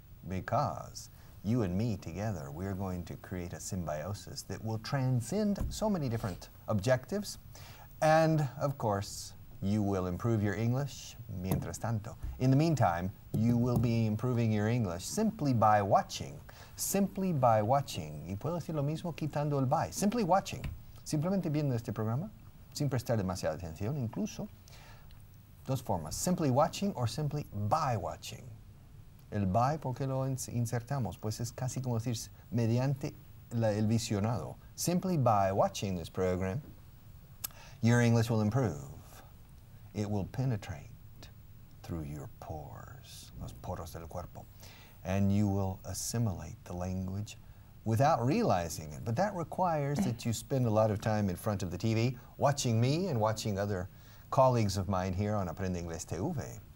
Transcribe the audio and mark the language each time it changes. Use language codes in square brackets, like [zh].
[en] Because you and me together, we're going to create a symbiosis that will transcend so many different objectives. And, of course, you will improve your English [es] mientras tanto. [en] In the meantime, you will be improving your English simply by watching. Simply by watching. [es] Y puedo decir lo mismo quitando el by. [en] Simply watching. [es] Simplemente viendo este programa, sin prestar demasiada atención, incluso. Dos formas. [en] Simply watching or simply by watching. [es] El by, ¿por qué lo insertamos? Pues es casi como decir, mediante el visionado. [en] Simply by watching this program, your English will improve. It will penetrate through your pores, [es] los poros del cuerpo. [en] And you will assimilate the language without realizing it. But that requires that you spend a lot of time in front of the TV watching me and watching other colleagues of mine here on Aprende Inglés TV.